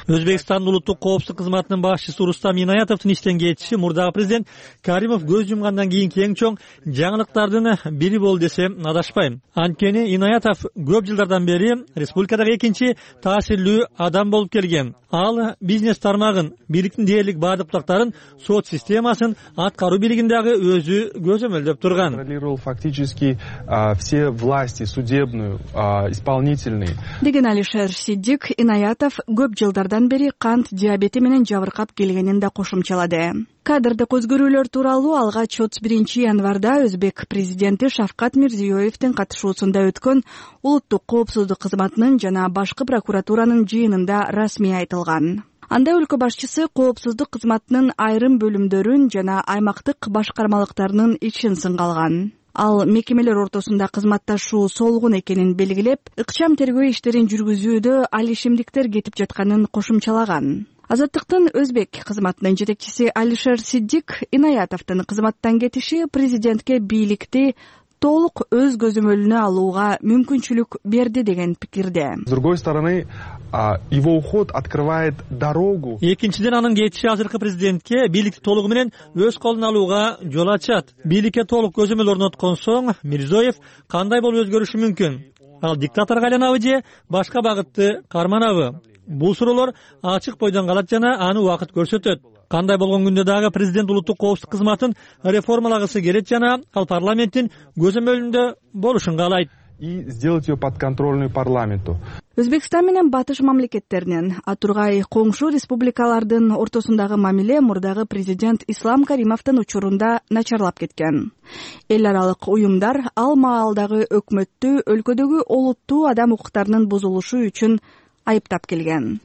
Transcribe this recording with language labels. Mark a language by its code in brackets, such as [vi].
[ky] Өзбекстандын улуттук коопсуздук кызматынын башчысы Рустам Инаятовдун иштен кетиши мурдагы президент Каримов көз жумгандан кийин кең чоң жаңылыктардын бири болду десем адашпайм. Анткени Инаятов көп жылдардан бери республикадагы экинчи таасирлүү адам болуп келген. Ал бизнес тармагын, бийликтин дээрлик бардык бутактарын, сот системасын аткаруу бийлигин дагы өзү көзөмөлдөп турган. [ru] Контролировал фактически все власти судебную, исполнительные. [ky] Деген Алишер Сиддик Инаятов көп жылдардан бери кант диабети менен жабыркап келгенин да кошумчалады. Кадрдык өзгөрүүлөр тууралуу алгач 31 январда өзбек президенти Шавкат Мирзиёевдин катышуусунда өткөн улуттук коопсуздук кызматынын жана башкы прокуратуранын жыйынында расмий айтылган. Анда өлкө башчысы коопсуздук кызматынын айрым бөлүмдөрүн жана аймактык башкармалыктарынын ичин сынга алган. Ал мекемелер ортосунда кызматташуу солгун экенин белгилеп, ыкчам тергөө иштерин жүргүзүүдө алишимдиктер кетип жатканын кошумчалаган. Азаттыктын өзбек кызматынын жетекчиси Алишер Сиддик Инаятовдун кызматтан кетиши президентке бийликти толук өз көзөмөлүнө алууга мүмкүнчүлүк берди деген пикирде. [ru] С другой стороны, его уход открывает дорогу. [ky] Экинчиден анын кетиши азыркы президентке бийликти толугу менен өз колуна алууга жол ачат. Бийликке толук көзөмөл орноткон соң Мирзиёев кандай болуп өзгөрүшү мүмкүн? Ал диктаторго айланабы же башка багытты карманабы? Бул суроолор ачык бойдон калат жана аны убакыт көрсөтөт. Кандай болгон күндө дагы президент улуттук коопсуздук кызматын реформалагысы келет жана ал парламенттин көзөмөлүндө болушун каалайт. [ru] и сделать ее подконтрольной парламенту. [ky] Өзбекстан менен батыш мамлекеттеринен, атургай коңшу республикалардын ортосундагы мамиле мурдагы президент Ислам Каримовтун учурунда начарлап кеткен. Эл аралык уюмдар ал маалдагы өкмөттү өлкөдөгү олуттуу адам укуктарынын бузулушу үчүн айыптап келген.